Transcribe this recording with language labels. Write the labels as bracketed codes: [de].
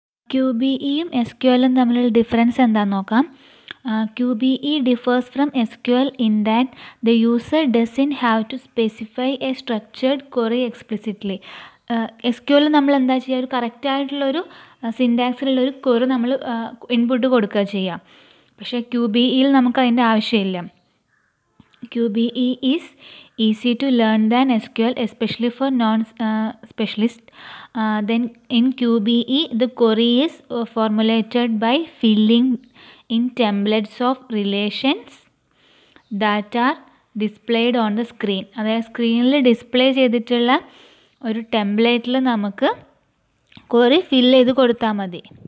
[ml] Q B ഇയും S Q എല്ലും തമ്മിലുള്ള difference എന്താന്ന് നോക്കാം. [en] Q B E differs from S Q L in that the user doesn't have to specify a structured query explicitly. [ml] S Q എല്ലിൽ നമ്മൾ എന്താ ചെയ്യുക, ഒരു കറക്റ്റായിട്ടുള്ളൊരു സിൻടാക്സിലുള്ളൊരു ക്വറി നമ്മൾ ഇൻപുട്ട് കൊടുക്കുക ചെയ്യാം. പക്ഷേ ക്യു ബി ഇയിൽ നമുക്ക് അതിൻ്റെ ആവശ്യമില്ല. [en] QBE is easy to learn than SQL, especially for non-specialists. Then in QBE, the query is formulated by filling in templates of relations that are displayed on the screen. [ml] അതായത് സ്ക്രീനിൽ display ചെയ്തിട്ടുള്ള ഒരു ടെംപ്ലേറ്റിൽ നമുക്ക് query fill ചെയ്ത് കൊടുത്താൽ മതി.